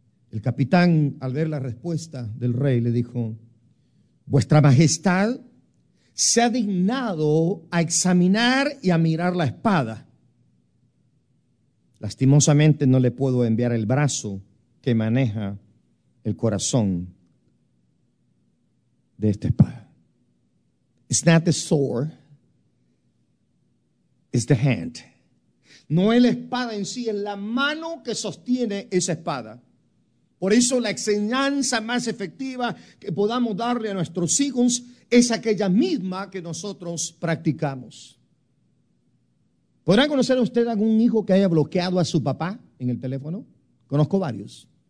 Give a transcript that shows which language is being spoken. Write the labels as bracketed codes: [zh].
[es] El capitán, al ver la respuesta del rey, le dijo, Vuestra Majestad se ha dignado a examinar y a mirar la espada. Lastimosamente no le puedo enviar el brazo que maneja el corazón de esta espada. [en] It's not the sword, it's the hand. [es] No es la espada en sí, es la mano que sostiene esa espada. Por eso la enseñanza más efectiva que podamos darle a nuestros hijos es aquella misma que nosotros practicamos. ¿Podrá conocer usted algún hijo que haya bloqueado a su papá en el teléfono? Conozco varios.